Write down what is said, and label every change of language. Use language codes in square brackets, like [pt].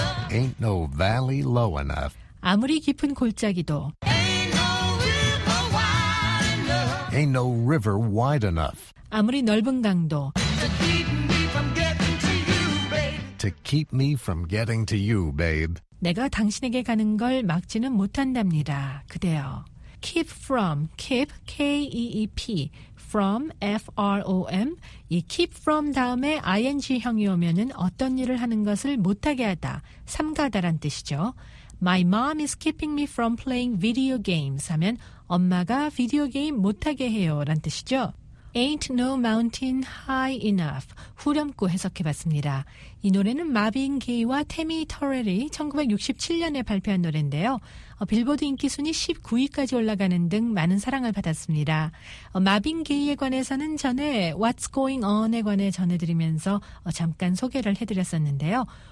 [en] Ain't no valley low enough. [ko] 아무리 깊은 골짜기도 [en] Ain't no river wide enough. Ain't no river wide enough. [ko] 아무리 넓은 강도 [en] To keep me from getting to you, babe. To keep me from getting to you, babe. [ko] 내가 당신에게 가는 걸 막지는 못한답니다. 그대여. [en] Keep from, keep, K-E-E-P, from, F-R-O-M. [ko] 이 keep from 다음에 ing형이 오면은 어떤 일을 하는 것을 못하게 하다, 삼가다란 뜻이죠. [en] My mom is keeping me from playing video games [ko] 하면 엄마가 비디오 게임 못하게 해요란 뜻이죠. [en] Ain't no mountain high enough. [ko] 후렴구 해석해봤습니다. 이 노래는 마빈 게이와 태미 터렐이 1967년에 발표한 노래인데요. 빌보드 인기 순위 19위까지 올라가는 등 많은 사랑을 받았습니다. 마빈 게이에 관해서는 전에 What's Going On에 관해 전해드리면서 잠깐 소개를 해드렸었는데요.